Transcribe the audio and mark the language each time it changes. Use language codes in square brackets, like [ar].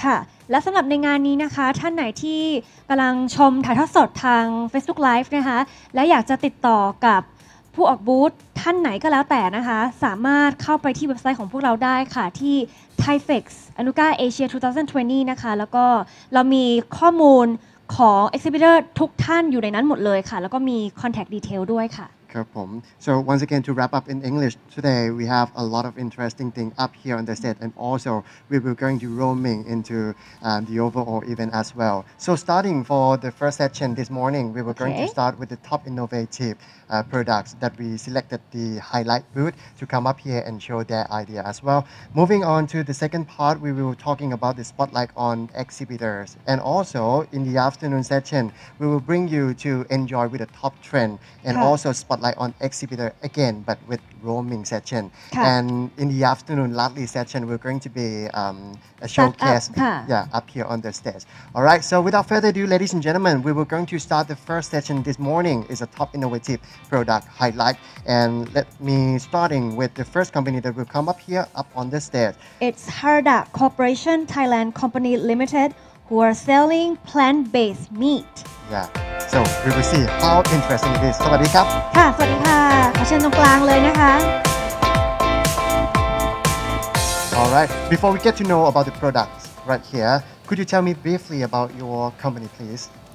[th] ค่ะและสำหรับในงานนี้นะคะท่านไหนที่กำลังชมถ่ายทอดสดทาง Facebook Live นะคะและอยากจะติดต่อกับผู้ออกบูธท่านไหนก็แล้วแต่นะคะสามารถเข้าไปที่เว็บไซต์ของพวกเราได้ค่ะที่ Thaifec Anuga Asia 2020นะคะแล้วก็เรามีข้อมูลของ Exhibitor ทุกท่านอยู่ในนั้นหมดเลยค่ะแล้วก็มี Contact Detail ด้วยค่ะ [en] ครับผม So once again to wrap up in English today we have a lot of interesting thing up here on the set and also we will going to roaming into the overall event as well so starting for the first section this morning we were going to start with the top innovativeproducts that we selected the highlight booth to come up here and show their idea as well. Moving on to the second part, we will be talking about the spotlight on exhibitors. And also in the afternoon session, we will bring you to enjoy with the top trend and also spotlight on exhibitor again, but with roaming session. And in the afternoon, lastly session, we're going to be a showcase up here on the stage. All right, so without further ado, ladies and gentlemen, we were going to start the first session this morning is a top innovativeproduct highlight and let me starting with the first company that will come up here up on the stairs. It's Harada Corporation Thailand Company Limited who are selling plant-based meat. Yeah, so we will see how interesting it is. [th] สวัสดีครับ ค่ะสวัสดีค่ะขอเชิญตรงกลางเลยนะคะ [en] Alright, before we get to know about the products right here, could you tell me briefly about your company please?